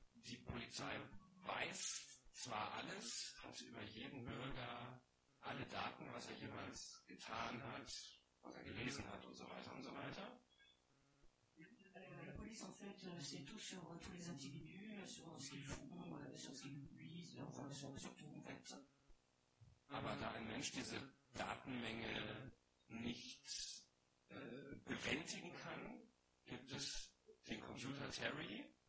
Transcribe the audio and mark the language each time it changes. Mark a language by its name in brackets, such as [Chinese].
[German] Die Polizei weiß zwar alles, hat über jeden Bürger alle Daten, was er jemals getan hat, was er gelesen hat und so weiter und so weiter. [French] La police en fait sait tout sur tous les individus, sur ce qu'ils font, sur ce qu'ils disent, enfin sur tout en fait. [German] Aber da ein Mensch diese Datenmenge nicht bewältigen kann, gibt es den Computer Terry.